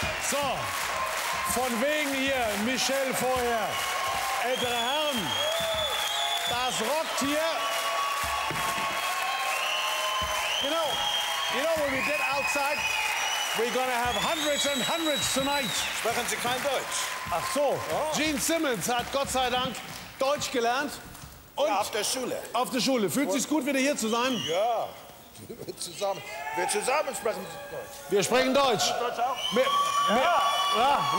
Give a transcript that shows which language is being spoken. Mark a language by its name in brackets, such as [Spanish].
[German] So, von wegen hier, Michel vorher, ältere Herren, das rockt hier. [English] You know when we get outside, we're gonna have hundreds and hundreds tonight. [German] Sprechen Sie kein Deutsch? Ach so. Oh. Gene Simmons hat Gott sei Dank Deutsch gelernt. Und ja, auf der Schule. Auf der Schule. Fühlt sich gut, wieder hier zu sein? Ja. Wir zusammen sprechen Deutsch. Wir sprechen Deutsch. Deutsch auch?